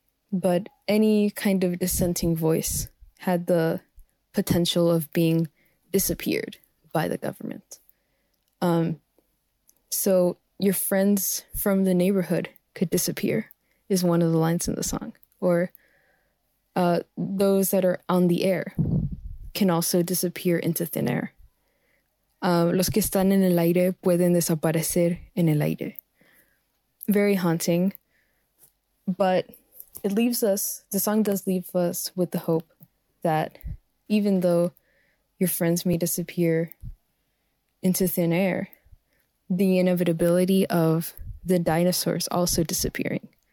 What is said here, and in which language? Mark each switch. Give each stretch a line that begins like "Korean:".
English: But any kind of dissenting voice had the potential of being disappeared by the government. So your friends from the neighborhood could disappear is one of the lines in the song. Or those that are on the air can also disappear into thin air.
Spanish: Los que están en el aire pueden desaparecer en el aire.
English: Very haunting, but the song does leave us with the hope that even though your friends may disappear into thin air, the inevitability of the dinosaurs also disappearing.